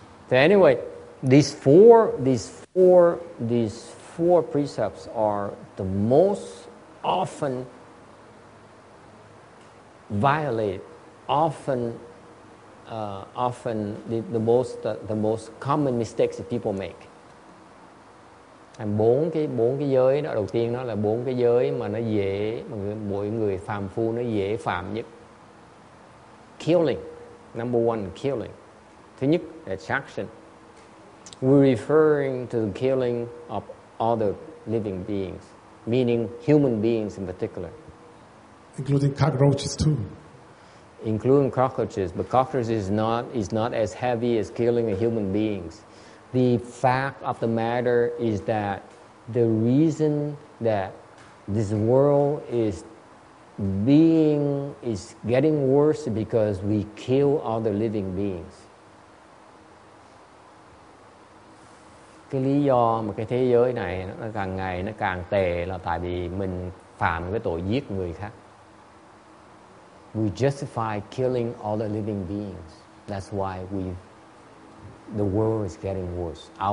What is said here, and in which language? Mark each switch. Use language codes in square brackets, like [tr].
[en] So anyway, these four precepts are the most often violated, often the most common mistakes that people make. [vi] Bốn cái giới đó, đầu tiên nó là bốn cái giới mà nó dễ, mỗi người phàm phu nó dễ phạm nhất. [en] Killing, number one, killing. [vi] Thứ nhất, [en] attraction. We're referring to the killing of other living beings, meaning human beings in particular. Including cockroaches too. Including cockroaches, but cockroaches is not as heavy as killing a human beings. The fact of the matter is that the reason that this world is getting worse is because we kill other living beings. [vi] Cái lý do mà cái thế giới này nó càng ngày nó càng tệ là tại vì mình phạm cái tội giết người khác. [en] We justify killing other living beings. That's why the world is getting worse.